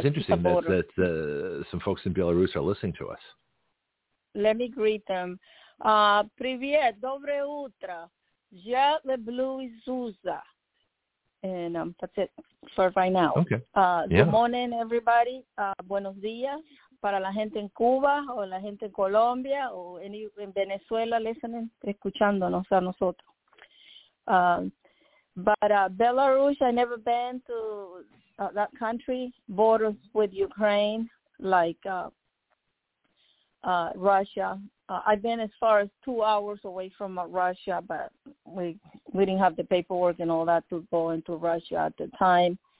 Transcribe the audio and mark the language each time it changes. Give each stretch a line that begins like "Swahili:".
English: is interesting that some folks in Belarus are listening to us. Let me greet them.
Russian: Привет, доброе утро. Я люблю Иисуса.
English: And that's it for right now. Okay. Good morning, everybody. Buenos días para la gente en Cuba o la gente en Colombia o en Venezuela listening, escuchándonos a nosotros. But Belarus, I never been to... that country borders with Ukraine, like Russia. I've been as far as 2 hours away from Russia, but we didn't have the paperwork and all that to go into Russia at the time.